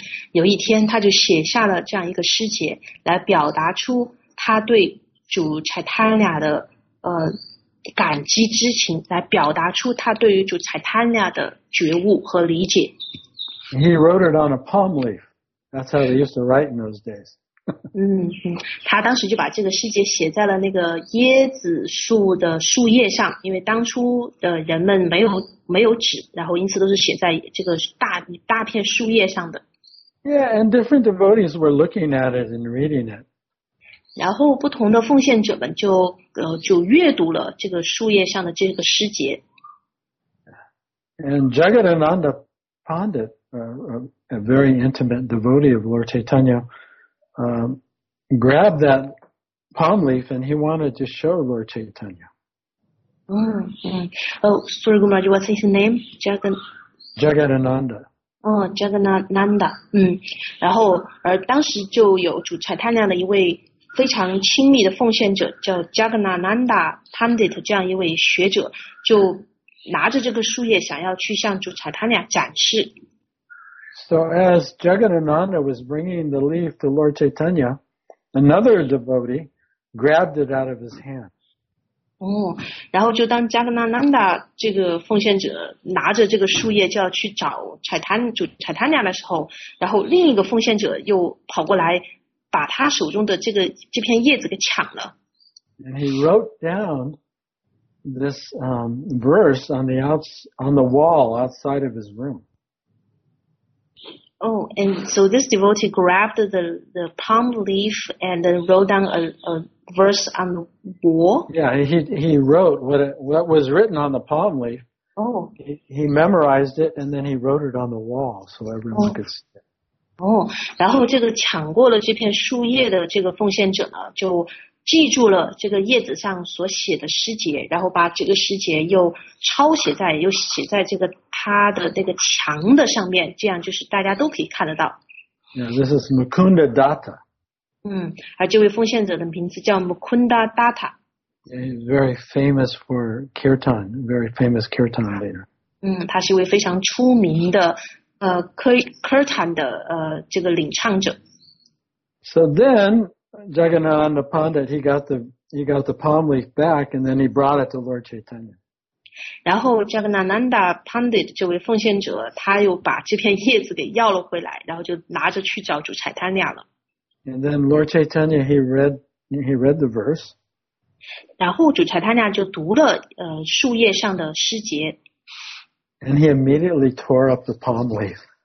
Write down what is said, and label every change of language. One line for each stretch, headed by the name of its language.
Chinese: 有一天他就写下了这样一个诗节，来表达出他对主柴坦尼亚的感激之情，来表达出他对于主采坦尼亚的觉悟和理解。
English: He wrote it on a palm leaf. That's how they used to write in those days.
Chinese: 他当时就把这个细节写在了那个椰子树的树叶上，因为当初的人们没有纸，然后因此都是写在这个大片树叶上的。
English: Yeah, and different devotees were looking at it and reading it.
Chinese: 然后不同的奉献者们就阅读了这个树叶上的这个诗节。
English: And Jagadananda Pandit, a very intimate devotee of Lord Chaitanya, grabbed that palm leaf and he wanted to show Lord Chaitanya. Sorry, Gumaraji, what's his name? Jagadananda.
Chinese: Jagadananda, 然后而当时就有主财探量的一位非常亲密的奉献者叫 Jagadananda Pandit 这样一位学者就拿着这个树叶想要去向主财探量展示。
English: So as Jagadananda was bringing the leaf to Lord Chaitanya, another devotee grabbed it out of his hand.
Chinese: 然后就当加格纳南达这个奉献者拿着这个树叶就要去找柴坦尼亚的时候，然后另一个奉献者又跑过来把他手中的这片叶子给抢了。
English: And he wrote down this verse on the wall outside of his room. And so this devotee grabbed the palm leaf and then wrote down a verse on the wall. Yeah, he wrote what was written on the palm leaf. He memorized it and then he wrote it on the wall so everyone could see it.
Chinese: 然后这个抢过了这片树叶的这个奉献者呢，就记住了这个叶子上所写的诗节，然后把这个诗节又写在这个他的那个墙的上面，这样就是大家都可以看得到。
English: Yeah, this is Mukunda Datta.
Chinese: 而这位奉献者的名字叫 Mukunda Datta.
English: Very famous for Kirtan, very famous Kirtan leader.
Chinese: 他是一位非常出名的Kirtan 的这个领唱者。
English: So then,Jagannanda Pandit, he got the palm leaf back, and then he brought it to Lord Chaitanya.
Chinese: 然后 Jagannanda Pandit 这位奉献者，他又把这片叶子给要了回来，然后就拿着去找主柴坦尼亚了。
English: And then Lord Chaitanya, he read the verse.
Chinese: 然后主柴坦尼亚就读了树叶上的诗节。
English: And he immediately tore up the palm leaf.